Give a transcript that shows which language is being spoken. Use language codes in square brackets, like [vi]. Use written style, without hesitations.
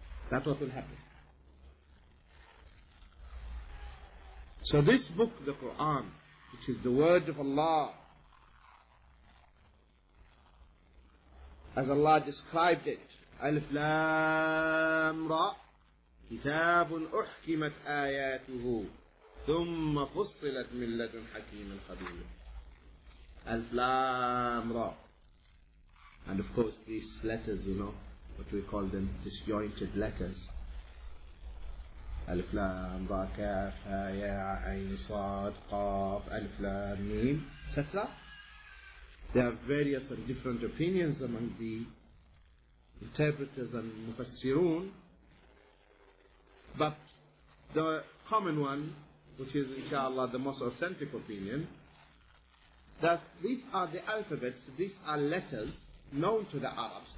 [en] That's what will happen. So this book, the Quran, which is the word of Allah, as Allah described it, [ar] ألف لام راء كتاب أحكمت آياته ثم فصلت من لدن حكيم خبير. ألف لام راء. [en] And of course these letters, you know, what we call them, disjointed letters. [ar] ألف لام راء كاف ها ياء عين صاد قاف ألف لام ميم etc. [en] There are various and different opinions among the interpreters and mufassirun, but the common one, which is inshallah the most authentic opinion, that these are the alphabets, these are letters known to the Arabs.